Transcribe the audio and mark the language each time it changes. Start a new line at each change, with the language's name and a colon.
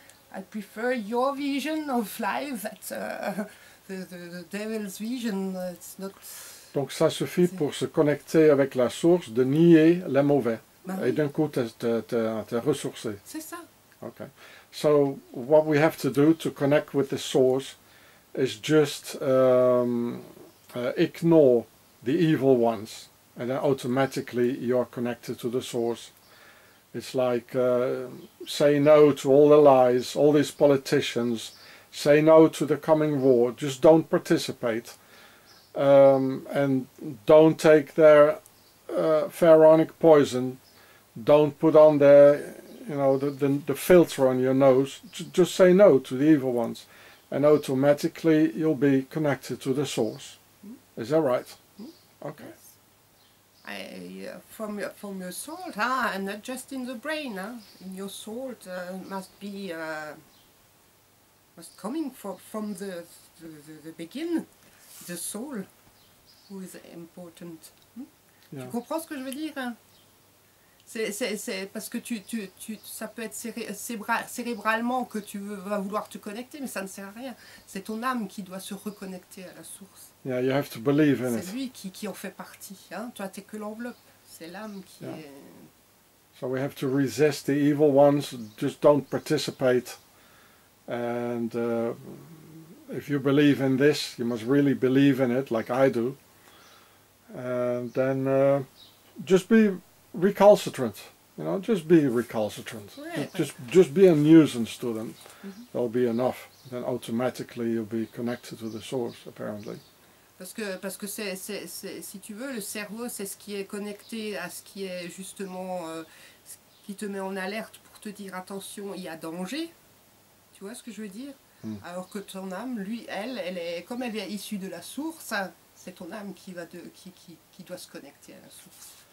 English: I prefer your vision of life, that the devil's vision. It's not.
French: Donc ça suffit pour se connecter avec la source, de nier le mauvais, bah, et d'un coup te ressourcer. C'est ça.
English: Okay. So what we have to do to connect with the source is just ignore the evil ones, and then automatically you are connected to the source. It's like say no to all the lies, all these politicians, say no to the coming war, just don't participate, and don't take their pharaonic poison, don't put on their, you know, the filter on your nose, just say no to the evil ones, and automatically you'll be connected to the source. Mm. Is that right? Mm. Okay. Yes. From your soul, huh? And not just in the brain, huh? In your soul must be must coming from the begin, the soul, who is important. Hmm? Yeah.
French: Tu comprends ce que je veux dire? C'est parce que tu ça peut être cérébralement que tu vas vouloir te connecter, mais ça ne sert à rien. C'est ton âme qui doit se reconnecter à la source.
English: Yeah, you have to believe in
French: c'est
English: it.
French: C'est lui qui en fait partie. Hein? Toi, t'es que l'enveloppe. C'est l'âme qui
English: yeah.
French: est.
English: So we have to resist the evil ones. Just don't participate. And if you believe in this, you must really believe in it, like I do. And then just be recalcitrant. You know, just be recalcitrant.
French: Ouais,
English: just be a nuisance to them. Mm-hmm. That'll be enough. Then automatically you'll be connected to the source, apparently.
French: Parce que c'est si tu veux, le cerveau, c'est ce qui est connecté à ce qui est justement ce qui te met en alerte pour te dire attention, il y a danger. Tu vois ce que je veux dire? Mm. Alors que ton âme, lui, elle est comme elle est issue de la source, hein, c'est ton âme qui doit se connecter à la source.